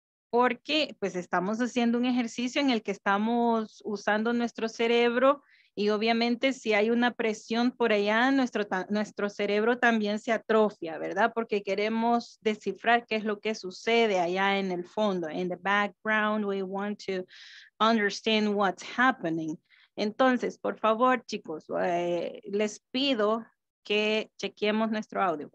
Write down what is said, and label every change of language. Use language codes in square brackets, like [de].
[es] Porque pues estamos haciendo un ejercicio en el que estamos usando nuestro cerebro y obviamente si hay una presión por allá, nuestro cerebro también se atrofia, ¿verdad? Porque queremos descifrar qué es lo que sucede allá en el fondo. [en] In the background, we want to understand what's happening. [es] Entonces, por favor, chicos, les pido que chequeemos nuestro audio.